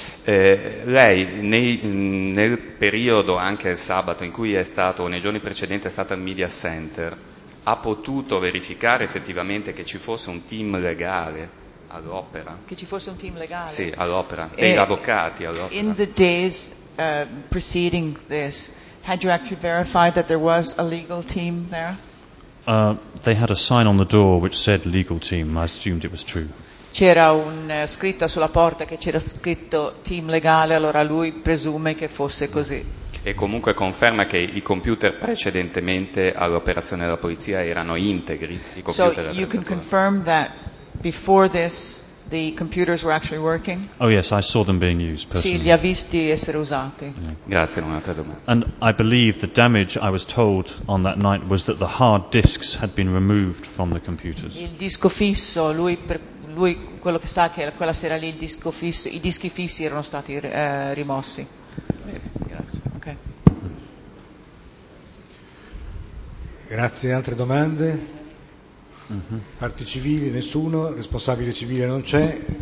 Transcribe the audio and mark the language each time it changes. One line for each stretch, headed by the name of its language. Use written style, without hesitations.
Italian: Lei, nel periodo, anche il sabato, in cui è stato, nei giorni precedenti, è stato al media center, ha potuto verificare effettivamente che ci fosse un team legale all'opera? Che ci fosse un team legale? Sì, all'opera. Degli avvocati all'opera.
English: In the days preceding this, had you actually verified that there was a legal team there? They had a sign on the door which said legal team. I assumed it was true.
Italian: C'era una scritta sulla porta che c'era scritto team legale, allora lui presume che fosse così. E comunque conferma che i computer precedentemente all'operazione della polizia erano integri, i computer.
English: So you can confirm that before this the computers were actually working? Oh yes, I saw them being used personally.
Italian: Sì, li ha visti essere usati. Yeah. Grazie, un'altra domanda.
English: And I believe the damage I was told on that night was that the hard disks had been removed from the computers.
Italian: Il disco fisso, lui quello che sa che quella sera lì il disco fisso, i dischi fissi erano stati rimossi. Grazie. Ok. Grazie, altre domande? Mm-hmm. Parti civili, nessuno, responsabile civile non c'è.